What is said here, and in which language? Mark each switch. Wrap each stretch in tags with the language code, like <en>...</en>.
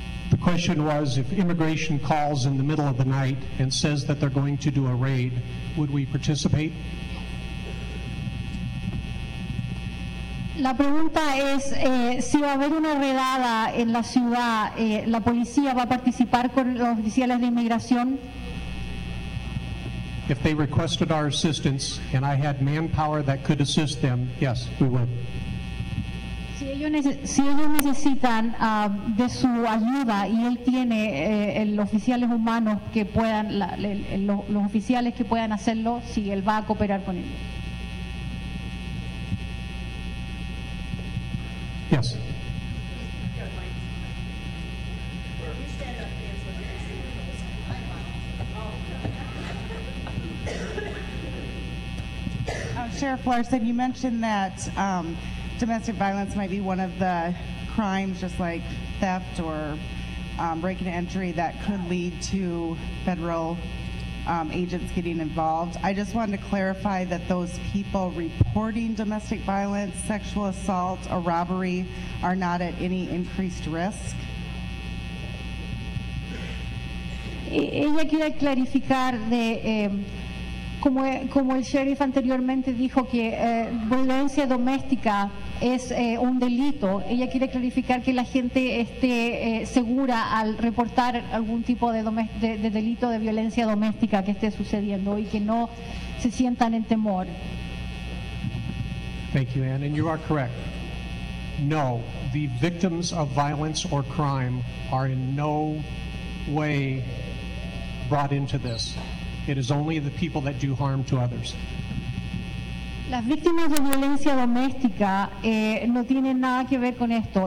<en>The question was, if immigration calls in the middle of the night and says that they're going to do a raid, would we participate?</en> <es>La pregunta es, si va a haber una redada en la ciudad, la policía va a participar con los oficiales de inmigración?</es> <en>If they requested our assistance and I had manpower that could assist them, yes, we would.</en> <es>Si ellos necesitan de su ayuda y él tiene los oficiales humanos que puedan, los oficiales que puedan hacerlo, si él va a cooperar con ellos.</es> <en>Yes. Sheriff Larson, you mentioned that domestic violence might be one of the crimes, just like theft or break and entry, that could lead to federal agents getting involved. I just wanted to clarify that those people reporting domestic violence, sexual assault, or robbery are not at any increased risk.</en> <es>Ella quiere clarificar de como el sheriff anteriormente dijo que violencia doméstica es un delito. Ella quiere clarificar que la gente esté segura al reportar algún tipo de delito de violencia doméstica que esté sucediendo y que no se sientan en temor.</es> <en>Thank you, Anne, and you are correct. No, the victims of violence or crime are in no way brought into this. It is only the people that do harm to others.</en> <es>Las víctimas de violencia doméstica no tienen nada que ver con esto.</es>